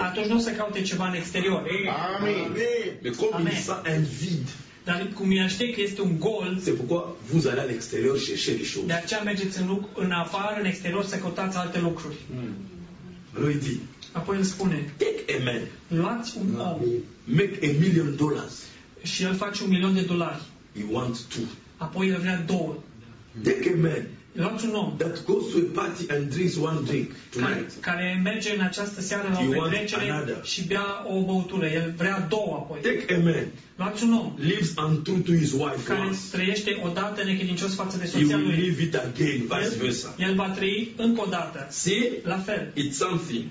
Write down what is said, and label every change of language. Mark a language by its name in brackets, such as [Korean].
[Romanian] Atunci nu o să caute ceva în exterior. Amen. Dar cum el știe că este un gol, [French] c'est pourquoi vous allez à l'extérieur chercher les choses. [Romanian] De aceea mergeți în loc, în afară, în exterior, să căutați alte lucruri. [French] Lui dit, [Romanian] apoi îl spune, [English] take a man, [Romanian] luați un om, [English] make a million dollars, [Romanian] și el face un milion de dolari. [English] He wants two. [Romanian] Apoi el vrea două. [English] Take a man. [Romanian] Luați un om. [English] That goes to a party and drinks one drink tonight. [Romanian] Care merge în această seară la o petrecere și bea o băutură. El vrea două apoi. [English] Take a man. [Romanian] Luați un om. [English] Lives untrue to his wife. [Romanian] Care trăiește odată necredincios față de soția lui. [English] He will live it again, vice versa. [Romanian] El va trăi încă o dată. [English] See? [Romanian] La fel. [English] It's something.